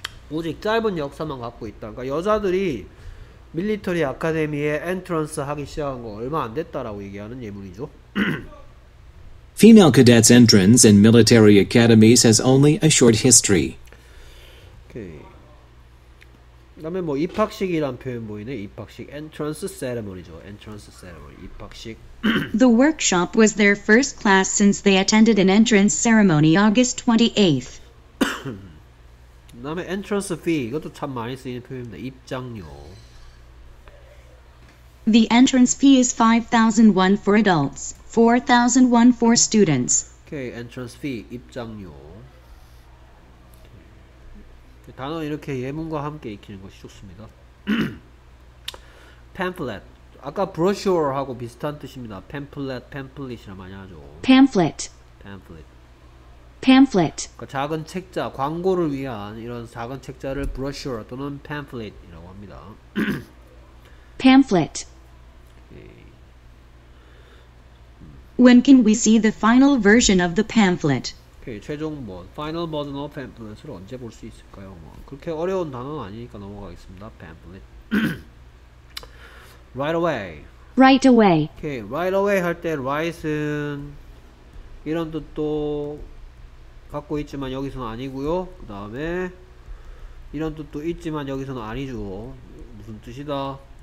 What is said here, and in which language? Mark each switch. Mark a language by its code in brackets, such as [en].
[ko] 오직 짧은 역사만 갖고 있다. 그러니까 여자들이 밀리터리 아카데미에 엔트런스 하기 시작한 거 얼마 안 됐다라고 얘기하는 예문이죠. [en] Female cadets entrance in military academies has only a short history. [ko] 오케이. 그다음에 뭐 입학식이란 표현 보이네. 입학식 entrance ceremony죠. entrance ceremony 입학식. [en] The workshop was their first class since they attended an entrance ceremony August 28th. [ko] 그다음에 entrance fee 이것도 참 많이 쓰이는 표현입니다. 입장료. [en] The entrance fee is 5,000 won for adults, 4,000 won for students. Okay, entrance fee, 입장료. [ko] 단어 이렇게 예문과 함께 익히는 것이 좋습니다. pamphlet, 아까 brochure하고 비슷한 뜻입니다. pamphlet, pamphlet이라 많이 하죠. [en] pamphlet. pamphlet. pamphlet. [ko] 그러니까 작은 책자, 광고를 위한 이런 작은 책자를 brochure 또는 pamphlet이라고 합니다. [en] pamphlet. When can we see the final version of the pamphlet? [ko] Okay, 최종 뭐 final version of pamphlet 을 언제 볼 수 있을까요? 뭐 그렇게 어려운 단어는 아니니까 넘어가겠습니다. [en] pamphlet. right away. Right away. [ko] Okay, right away 할 때 right은 이런 뜻도 갖고 있지만 여기서는 아니고요. 그 다음에 이런 뜻도 있지만 여기서는 아니죠. 무슨 뜻이다?